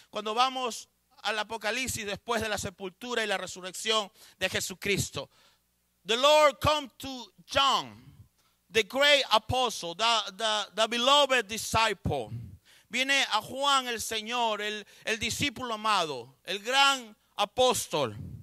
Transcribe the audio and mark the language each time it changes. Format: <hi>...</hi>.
<es>Cuando vamos al Apocalipsis después de la sepultura y la resurrección de Jesucristo.</es> <en>The Lord come to John, the great apostle, the beloved disciple.</en> <es>Viene a Juan el Señor, el discípulo amado, el gran apóstol.</es>